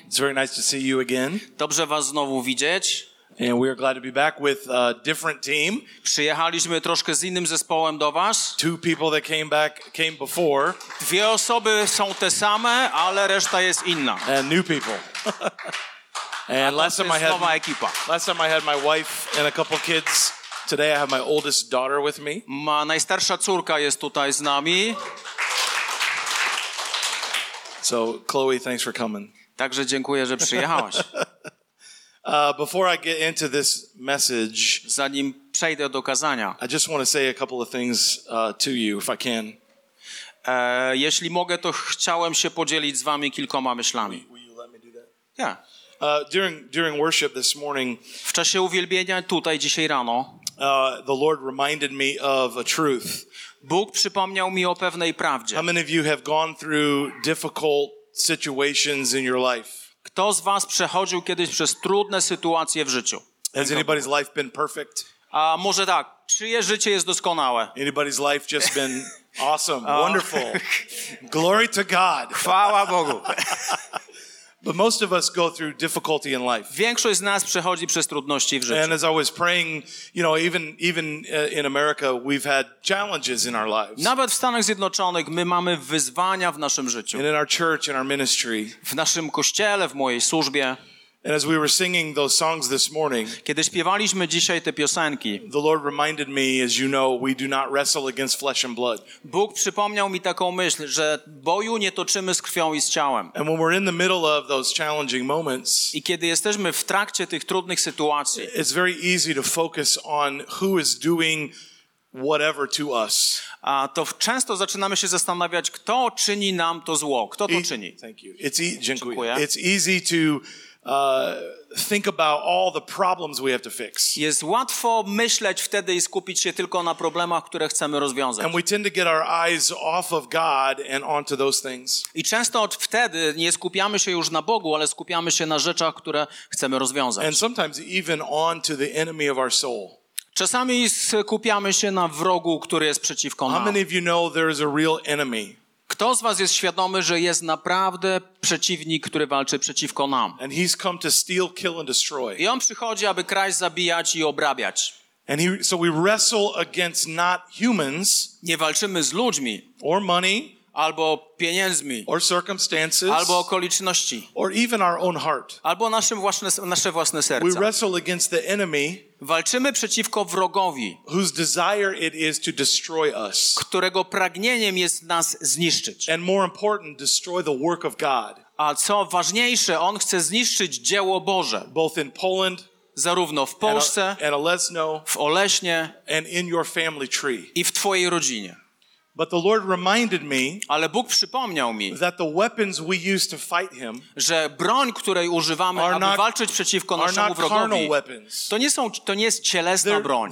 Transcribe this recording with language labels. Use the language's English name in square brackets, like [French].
[English] It's very nice to see you again. [Polish] Dobrze was znowu widzieć. [English] And we are glad to be back with a different team. [Polish] Przyjechaliśmy troszkę z innym zespołem do was. [English] Two people that came before. [Polish] Dwie osoby są te same, ale reszta jest inna. [English] And new people. And last time I had my wife and a couple kids. Today I have my oldest daughter with me. [Polish] Ma najstarsza córka jest tutaj z nami. [English] So Chloe, thanks for coming. [Polish] Także dziękuję, że przyjechałaś. [English] Before I get into this message, [Polish] zanim przejdę do kazania, [English] I just want to say a couple of things to you, if I can. [Polish] Jeśli mogę, to chciałem się podzielić z wami kilkoma myślami. [English] Will you let me do that? Yeah. During worship this morning, [Polish] w czasie uwielbienia tutaj dzisiaj rano, [English] The Lord reminded me of a truth. [Polish] Bóg przypomniał mi o pewnej prawdzie. [English] How many of you have gone through difficult situations in your life? [Polish] Kto z was przechodził kiedyś przez trudne sytuacje w życiu? [English] Has anybody's life been perfect? [Polish] A może tak, czyje życie jest doskonałe? [English] Anybody's life just been awesome, wonderful. Glory to God. [Polish] Chwała Bogu. [English] But most of us go through difficulty in life. [Polish] Większość z nas przechodzi przez trudności w życiu. [English] And as I was praying, you know, even in America, we've had challenges in our lives. [Polish] Nawet w Stanach Zjednoczonych my mamy wyzwania w naszym życiu. [English] And in our church, in our ministry. [Polish] W naszym kościele, w mojej służbie. [English] And as we were singing those songs this morning, [Polish] kiedy śpiewaliśmy dzisiaj te piosenki, [English] the Lord reminded me, as you know, we do not wrestle against flesh and blood. [Polish] Bóg przypomniał mi taką myśl, że boju nie toczymy z krwią i z ciałem. [English] And when we're in the middle of those challenging moments, [Polish] i kiedy jesteśmy w trakcie tych trudnych sytuacji, [English] it's very easy to focus on who is doing whatever to us. [Polish] A to często zaczynamy się zastanawiać, kto czyni nam to zło, kto to czyni. [English] Thank you. [Polish] Dziękuję. [English] It's easy to think about all the problems we have to fix. [Polish] Jest łatwo myśleć wtedy i skupić się tylko na problemach, które chcemy rozwiązać. [English] And we tend to get our eyes off of God and onto those things. [Polish] I często od wtedy nie skupiamy się już na Bogu, ale skupiamy się na rzeczach, które chcemy rozwiązać. [English] And sometimes even onto the enemy of our soul. [Polish] Czasami skupiamy się na wrogu, który jest przeciwko nam. [English] How many of you know there is a real enemy? [Polish] Kto z was jest świadomy, że jest naprawdę przeciwnik, który walczy przeciwko nam? [English] And he's come to steal, kill and destroy. [Polish] I on przychodzi, aby kraść, zabijać i obrabiać. [English] And so we wrestle against not humans, [Polish] nie walczymy z ludźmi, [English] or money, [Polish] albo pieniędzmi, [English] or circumstances, [Polish] albo okoliczności, [English] or even our own heart. [Polish] Albo nasze własne serca. [English] We wrestle against the enemy, [Polish] walczymy przeciwko wrogowi, [English] whose desire it is to destroy us, [Polish] którego pragnieniem jest nas zniszczyć. [English] And more important, destroy the work of God. [Polish] A co ważniejsze, on chce zniszczyć dzieło Boże. [English] Both in Poland, [Polish] zarówno w Polsce, [English] and Olesno, [Polish] w Oleśnie, [English] and in your family tree. [Polish] I w twojej rodzinie. [English] But the Lord reminded me, [Polish] ale Bóg przypomniał mi, [English] that the weapons we use to fight him, [Polish] że broń, której używamy, aby walczyć przeciwko naszemu wrogowi, to nie jest cielesna broń.